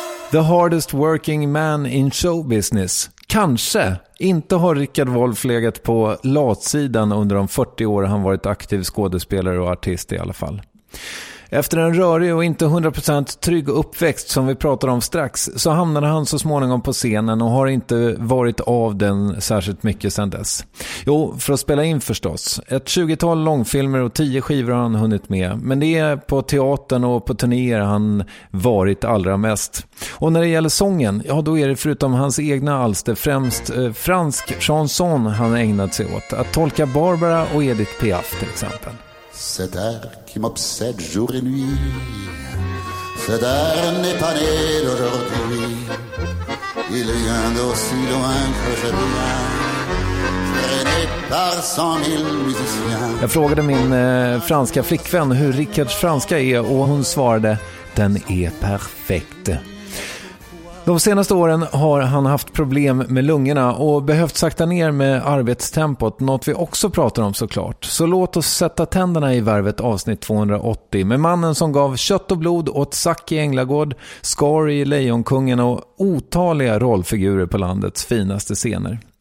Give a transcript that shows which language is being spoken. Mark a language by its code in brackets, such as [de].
[en] The hardest working man in show business. [sv] Kanske inte har Rickard Wolff legat på latsidan under de 40 år han varit aktiv skådespelare och artist i alla fall. Efter en rörig och inte 100% trygg uppväxt som vi pratar om strax så hamnade han så småningom på scenen och har inte varit av den särskilt mycket sedan dess. Jo, för att spela in förstås. Ett 20-tal långfilmer och 10 skivor har han hunnit med. Men det är på teatern och på turnéer han varit allra mest. Och när det gäller sången, ja då är det förutom hans egna alster främst fransk chanson han ägnat sig åt. Att tolka Barbara och Edith Piaf till exempel. [fr] Cet air qui m'obsède jour et nuit, cet air n'est pas né d'aujourd'hui. Il vient d'aussi loin que je viens, traîné par 100 000 musiciens. [sv] Jag frågade min franska flickvän hur Rickards franska är och hon svarade, den är perfekt. De senaste åren har han haft problem med lungorna och behövt sakta ner med arbetstempot, något vi också pratar om såklart. Så låt oss sätta tänderna i värvet avsnitt 280 med mannen som gav kött och blod åt Zack i Änglagård, Scar i Lejonkungen och otaliga rollfigurer på landets finaste scener.